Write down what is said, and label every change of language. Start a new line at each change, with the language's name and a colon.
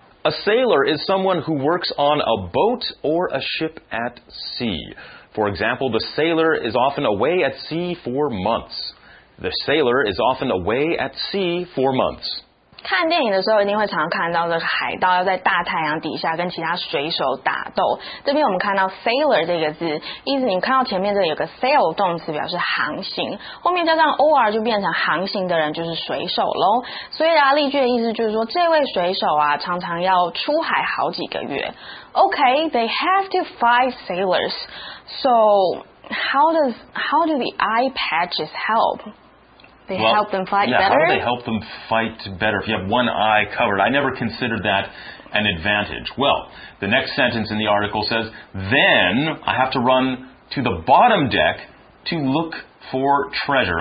English: A sailor is someone who works on a boat or a ship at sea. For example, the sailor is often away at sea for months. The sailor is often away at sea for months.
Chinese: 看电影的时候一定会常看到这个海盗要在大太阳底下跟其他水手打斗。这边我们看到 sailor 这个字，意思你看到前面这里有个 sail 动词表示航行，后面加上 or 就变成航行的人就是水手咯。所以啊，例句的意思就是说这位水手啊常常要出海好几个月。
English: Okay, they have to fight sailors. So, how do the eye patches help? Help them fight better? How do they help them fight better if you have one eye covered? I never considered that an advantage. Well, the next sentence in the article says, then I have to run to the bottom deck to look for treasure.